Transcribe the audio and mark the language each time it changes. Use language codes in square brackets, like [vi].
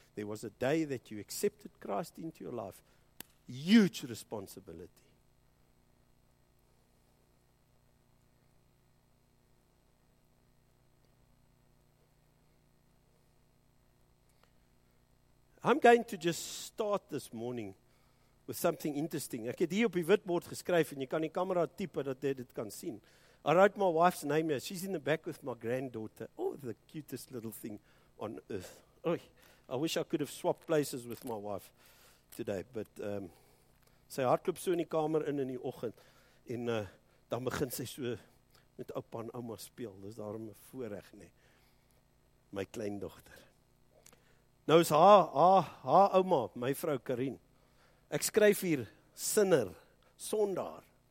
[en] There was a day that you accepted Christ into your life. Huge responsibility. I'm going to just start this morning with something interesting. [af] Ek het hier op die witbord geskryf en jy kan die kamera tipe dat jy dit kan sien. [en] I wrote my wife's name here. She's in the back with my granddaughter. Oh, the cutest little thing on earth. Oy, I wish I could have swapped places with my wife today. [af] But sy hardloop so in die kamer in die oggend en dan begin sy so met oupa en ouma speel. Dis daarom 'n voorreg, nê. My kleindogter. Nou is haar ouma, my vrou Karin. Ek skryf hier, sinner, sondaar.